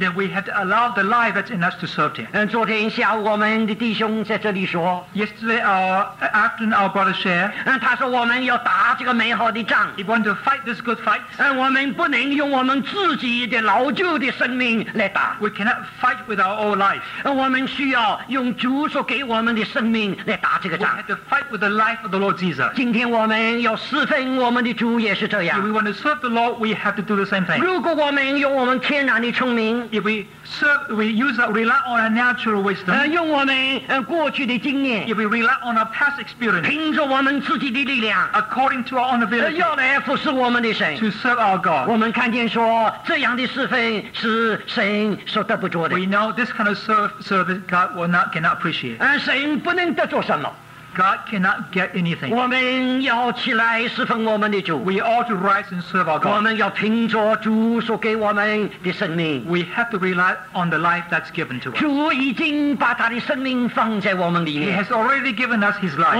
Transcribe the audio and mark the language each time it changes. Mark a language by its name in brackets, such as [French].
[English] then we have to allow the life that's in us to serve him. [Chinese] 昨天下午我们的弟兄在这里说, [English] yesterday afternoon our brother shared, [Chinese] 他说我们要打这个美好的仗, [English] we want to fight this good fight, [Chinese] 我们不能用我们自己的老旧的生命来打, [English] we cannot fight with our old life, [Chinese] 我们需要用主 所给我们的生命来打这个仗, [English] we have to fight with the life of the Lord Jesus. [Chinese] 今天我们要侍奉我们的主也是这样, [English] if we want to serve the Lord, we have to do the the same thing. [Chinese] 如果我们用我们天然的聪明, [English] if we serve, we use a rely on our natural wisdom, [Chinese] 用我们过去的经验, [English] if we rely on our past experience, [Chinese] 凭着我们自己的力量, [English] according to our own ability, [Chinese] 要来服侍我们的神, [English] to serve our God, [Chinese] 我们看见说, 这样的是非是神所得不着的, [English] we know this kind of service God will not cannot appreciate. [Chinese] 神不能得着什么? [English] God cannot get anything. We ought to rise and serve our God. We have to rely on the life that's given to us. He has already given us His life.